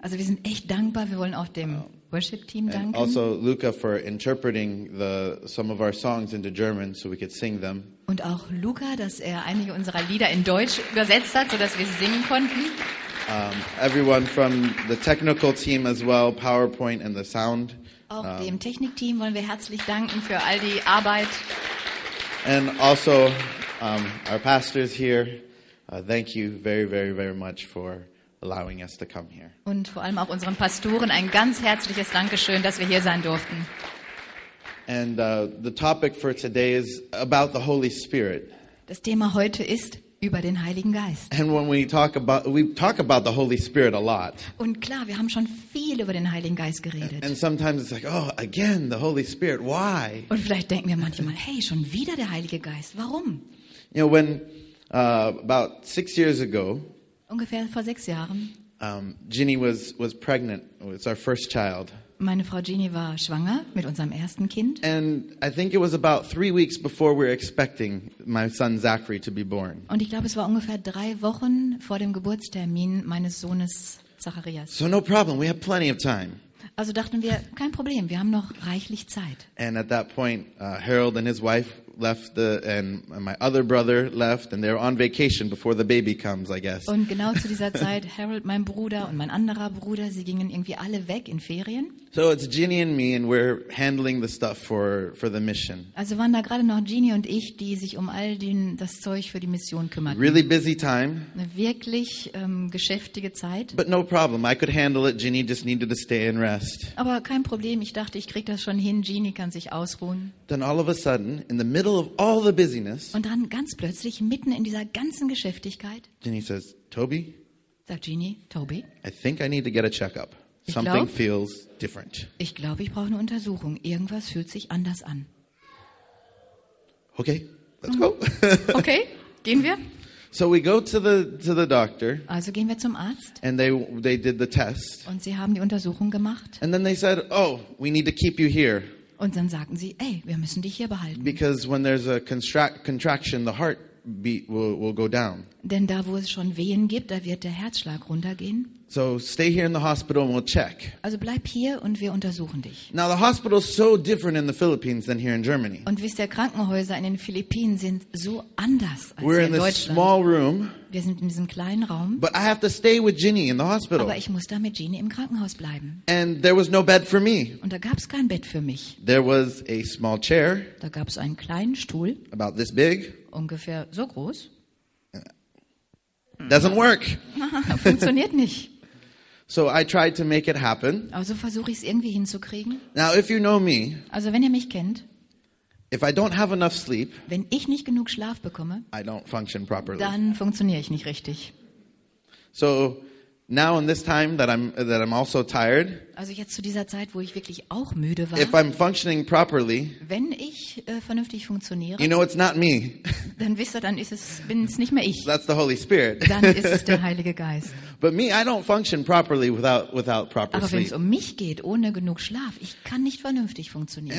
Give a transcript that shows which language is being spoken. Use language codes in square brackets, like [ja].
[de] Also wir sind echt dankbar. Wir wollen auch dem Worship Team danken. [en] And also Luca for interpreting some of our songs into German so we could sing them. [de] Und auch Luca, dass er einige unserer Lieder in Deutsch übersetzt hat, so dass wir sie singen konnten. [en] Everyone from the technical team as well, PowerPoint and the sound. [de] Auch dem Technikteam wollen wir herzlich danken für all die Arbeit. [en] And also our pastors here. Thank you very very very much for allowing us to come here. [de] Und vor allem auch unseren Pastoren ein ganz herzliches Dankeschön, dass wir hier sein durften. [en] And the topic for today is about the Holy Spirit. [de] Das Thema heute ist über den Heiligen Geist. [en] And when we talk about the Holy Spirit a lot. [de] Und klar, wir haben schon viel über den Heiligen Geist geredet. [en] And sometimes it's like, oh, again the Holy Spirit, why? [de] Und vielleicht denken wir manchmal, hey, schon wieder der Heilige Geist, warum? [en] You know, when about 6 years ago, [de] ungefähr vor 6 Jahren. [en] Ginny was pregnant. It's our first child. [de] Meine Frau Ginny war schwanger mit unserem ersten Kind. [en] And I think it was about 3 weeks before we were expecting my son Zachary to be born. [de] Und ich glaube, es war ungefähr 3 Wochen vor dem Geburtstermin meines Sohnes Zacharias. [en] So no problem. We have plenty of time. [de] Also dachten wir, kein Problem. Wir haben noch reichlich Zeit. [en] And at that point, Harold and his wife left and my other brother left and they're on vacation before the baby comes, I guess. [de] Und genau zu dieser Zeit Harold, mein Bruder und mein anderer Bruder, sie gingen irgendwie alle weg in Ferien. [en] So it's Ginny and me and we're handling the stuff for the mission. [de] Also waren da gerade noch Ginny und ich, die sich um all das Zeug für die Mission kümmerten. [en] Really busy time. [de] Eine wirklich geschäftige Zeit. [en] But no problem, I could handle it. Ginny just needed to stay and rest. [de] Aber kein Problem, ich dachte, ich krieg das schon hin. Ginny kann sich ausruhen. [en] Then all of a sudden in the middle of all the busyness. [de] Und dann ganz plötzlich mitten in dieser ganzen Geschäftigkeit. [en] Ginny says, "Toby." [de] Sagt Ginny, "Toby." [en] I think I need to get a checkup. Something feels different. [de] Ich glaube, ich brauche eine Untersuchung. Irgendwas fühlt sich anders an. [en] Okay, let's go. [de] Okay, gehen wir. [en] So we go to the doctor. [de] Also gehen wir zum Arzt. [en] And they did the test. [de] Und sie haben die Untersuchung gemacht. [en] And then they said, "Oh, we need to keep you here." [de] Und dann sagten sie, ey, wir müssen dich hier behalten. [en] Because when there's a contraction, the heart beat will go down. [de] Denn da, wo es schon Wehen gibt, da wird der Herzschlag runtergehen. [en] So stay here in the hospital and we'll check. [de] Also bleib hier und wir untersuchen dich. [en] Now the hospital is so different in the Philippines than here in Germany. [de] Und wisst ihr, Krankenhäuser in den Philippinen sind so anders als [en] We're [de] in Deutschland. [en] This small room. [de] Wir sind in diesem kleinen Raum. [en] But I have to stay with Ginny in the hospital. [de] Aber ich muss da mit Ginny im Krankenhaus bleiben. [en] And there was no bed for me. [de] Und da gab's kein Bett für mich. [en] There was a small chair. [de] Da gab's einen kleinen Stuhl. [en] About this big. [de] Ungefähr so groß. [en] Doesn't work. [de] Funktioniert nicht. [en] So I tried to make it happen. [de] Also versuche ich es irgendwie hinzukriegen. [en] Now if you know me. [de] Also wenn ihr mich kennt. [en] If I don't have enough sleep. [de] Wenn ich nicht genug Schlaf bekomme. [en] I don't function properly. [de] Dann funktioniere ich nicht richtig. [en] So now in this time that I'm also tired. [de] Also jetzt zu dieser Zeit, wo ich wirklich auch müde war. [en] If I'm functioning properly. [de] Wenn ich vernünftig funktioniere. [en] You know it's not me. [de] Dann wisst ihr, dann bin es nicht mehr ich. [en] That's the Holy Spirit. [de] Dann ist es der Heilige Geist. [en] But me, I don't function properly without proper sleep. [de] Aber wenn es um mich geht, ohne genug Schlaf, ich kann nicht vernünftig funktionieren.